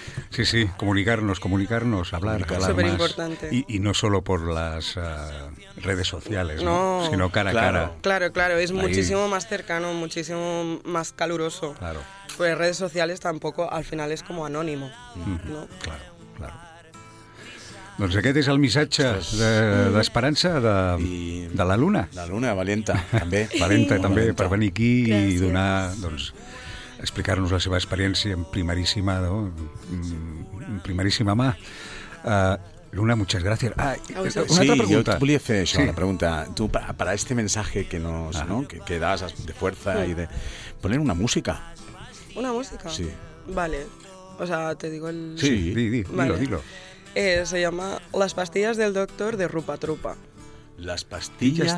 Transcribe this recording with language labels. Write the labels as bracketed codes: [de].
[es] Sí, sí, comunicarnos, hablar súper importante. Y no solo por las redes sociales, no, sino cara a cara. Claro, es ahí. Muchísimo más cercano, muchísimo más caluroso. Claro. Pues redes sociales tampoco, al final es como anónimo, ¿no? Claro. [ca] Doncs aquest és el missatge d'esperança de la Luna. La Luna, valenta, també. Valenta, també, per venir aquí. Gràcies. I donar, doncs, explicar-nos la seva experiència en primeríssima, no? En primeríssima mà. Luna, [es] muchas gracias. [ca] Una altra pregunta. Sí, jo volia fer això, sí. La pregunta. [es] Tu, para este mensaje que nos, ¿no? que das de fuerza y de... Poner una música. ¿Una música? Sí. Vale. O sea, te digo el... Sí, dilo. Se llama Las pastillas del doctor de Rupa Trupa. Las pastillas